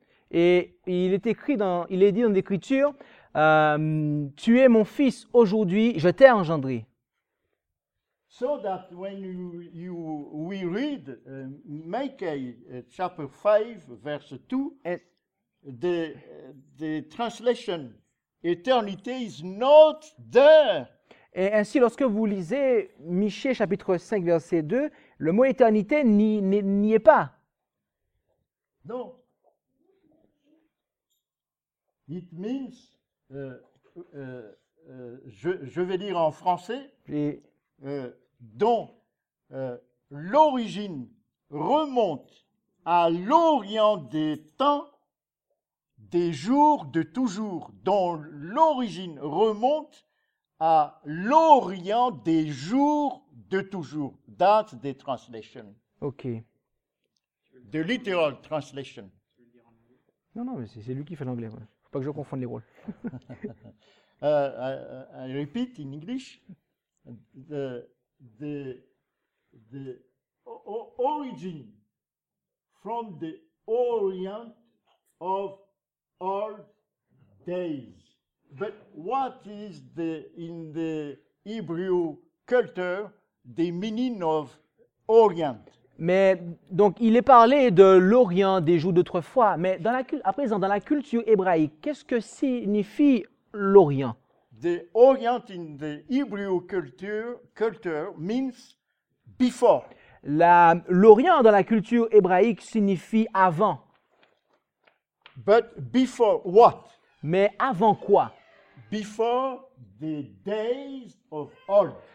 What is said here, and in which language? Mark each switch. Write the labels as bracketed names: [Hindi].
[French] Et il est écrit dans, il est dit dans l'Écriture, "Tu es mon fils. Aujourd'hui, je t'ai engendré." [English] So that when we read Micah chapter 5 verse 2, the translation eternity is not there. [French] Et ainsi, lorsque vous lisez Michée chapitre 5 verset 2, le mot éternité n'y est pas. Non. [English] It means [French] je vais lire en français. Dont l'origine remonte à l'Orient des temps, des jours de toujours, dont l'origine remonte à l'Orient des jours de toujours. [English] That's the translation. OK. The literal translation. [French] Non, mais c'est lui qui fait l'anglais. Ouais. Faut pas que je confonde les rôles. [English] I repeat in English, the origin from the Orient of old days. But what is the in the Hebrew culture the meaning of Orient? [French] Mais donc il est parlé de l'Orient des Juifs d'autrefois, mais dans la, à présent dans la culture hébraïque, qu'est-ce que signifie l'Orient? [English] The Orient in the Hebrew culture means before. [French] L'Orient dans la culture hébraïque signifie avant. [English] But before what? [French] Mais avant quoi? [English] Before the days of old.